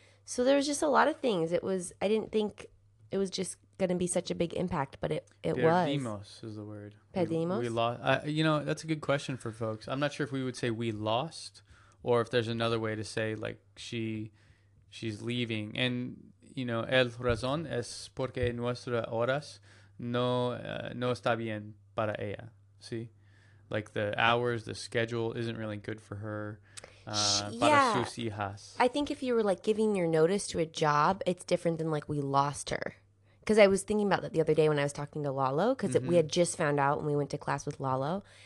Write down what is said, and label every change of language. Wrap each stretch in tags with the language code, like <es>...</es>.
<en>So there was just a lot of things. I didn't think it was just going to be such a big impact, but it was. Perdimos is the word.</en> <es>Perdimos?</es> <en>We lost. You know, that's a good question for folks. I'm not sure if we would say we lost or if there's another way to say like she's leaving. And, you know,</en> <es>el razón es porque nuestra horas no está bien para ella.</es> <en>See? Like the hours, the schedule isn't really good for her.</en> <es>Para sus hijas.</es> <en>I think if you were like giving your notice to a job, it's different than like we lost her. Because I was thinking about that the other day when I was talking to Lalo, because mm-hmm. we had just found out when we went to class with Lalo.</en>